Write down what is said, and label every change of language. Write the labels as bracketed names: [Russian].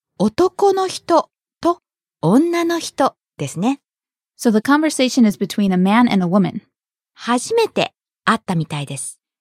[Japanese] 男の人と女の人ですね。 [English] So the conversation is between a man and a woman. [Japanese] 初めて会ったみたいです。